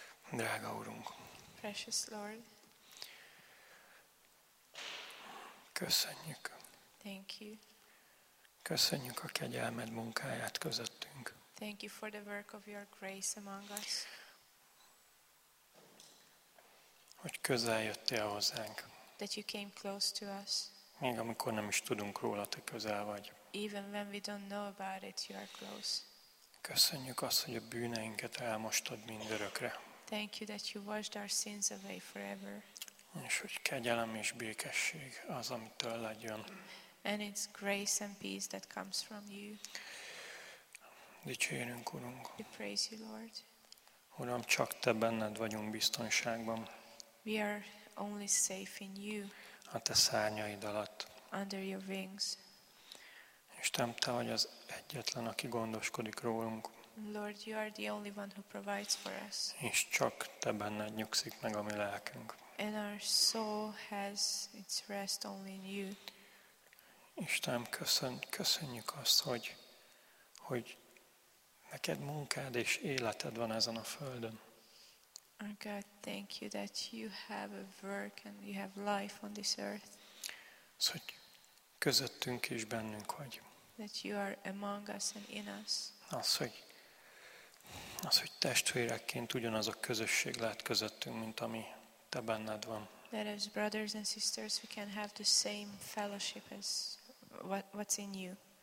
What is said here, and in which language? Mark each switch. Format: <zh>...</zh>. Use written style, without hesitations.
<hu>Drága Urunk.</hu> <en>Precious Lord.</en> <hu>Köszönjük.</hu> <en>Thank you.</en> <hu>Köszönjük a kegyelmed munkáját közöttünk.</hu> <en>Thank you for the work of your grace among us.</en> <hu>Hogy közel jöttél hozzánk.</hu> <en>That you came close to us.</en> <hu>Még amikor nem is tudunk róla, te közel vagy.</hu> <en>Even when we don't know about it, you are close.</en> <hu>Köszönjük azt, hogy a bűneinket elmostad mindörökre.</hu> <en>Thank you that you washed our sins away forever.</en> <hu>És hogy kegyelem és békesség az, amitől legyen.</hu> <en>And it's grace and peace that comes from you.</en> <hu>Dicsérünk, Urunk.</hu> <en>We praise you, Lord.</en> <hu>Uram, csak te benned vagyunk biztonságban.</hu> <en>We are only safe in you.</en> <hu>A te szárnyaid alatt.</hu> <en>Under your wings.</en> <hu>Istenem, te vagy az egyetlen, aki gondoskodik rólunk.</hu> <en>Lord, you are the only one who provides for us.</en> <hu>És csak te benned nyugszik meg a mi lelkünk.</hu> <en>And our soul has its rest only in you.</en> <hu>Istenem, köszönjük azt, hogy neked munkád és életed van ezen a földön.</hu> <en>Our God, thank you that you have a work and you have life on this earth.</en> <hu>Hogy közöttünk és bennünk vagy.</hu> <en>That you are among us and in us.</en> <hu>Az, hogy testvérekként ugyanaz a közösség lehet közöttünk, mint ami te benned van.</hu> <en>That as brothers and sisters we can have the same fellowship as what's in you.</en>